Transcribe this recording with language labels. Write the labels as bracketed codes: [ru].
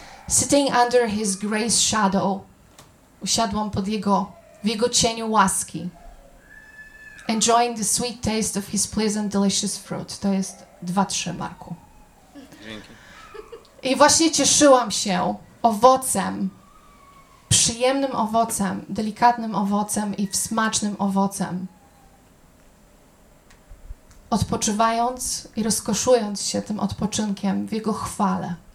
[en] Sitting under his grace shadow. [pl] Usiadłam pod jego, w jego cieniu łaski. [en] Enjoying the sweet taste of his pleasant, delicious fruit. [pl] To jest 2-3, Marku. Dzięki. I właśnie cieszyłam się owocem, przyjemnym owocem, delikatnym owocem i smacznym owocem. Odpoczywając i rozkoszując się tym odpoczynkiem w jego chwale.